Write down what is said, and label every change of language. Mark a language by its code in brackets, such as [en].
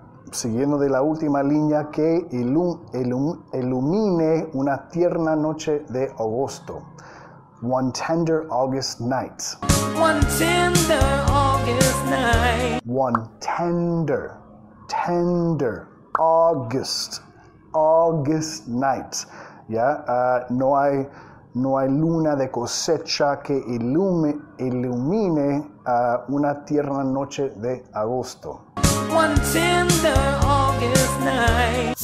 [es] Siguiendo de la última línea, que ilumine una tierna noche de agosto. [en] One tender August night. One tender August night. One tender, tender, August, August night. [es] Ya, no hay, no hay luna de cosecha que ilumine a una tierna noche de agosto. [en] What a tender August night.